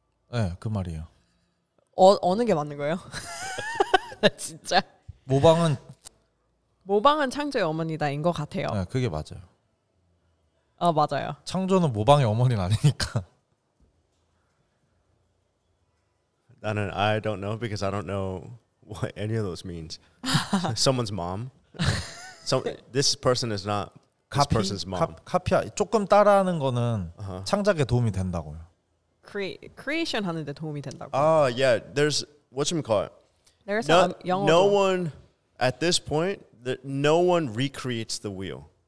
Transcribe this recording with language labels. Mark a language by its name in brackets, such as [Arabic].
[Korean] 네 그 말이에요 어느 게 맞는 거예요? 진짜 모방은 창조의 어머니다 인 것 같아요 네 그게 맞아요 어 맞아요 창조는 모방의 어머니는 아니니까 나는 [English] I don't know because I don't know what any of those means. Someone's mom. So this person is not this [Korean] 카피? [English] person's mom. [Korean] 카피야 조금 따라하는 거는 창작에 도움이 된다고요. Creation 하는데 도움이 된다고. [English] Ah, yeah. There's what you call it. There's no, no one at this point. No one recreates the wheel.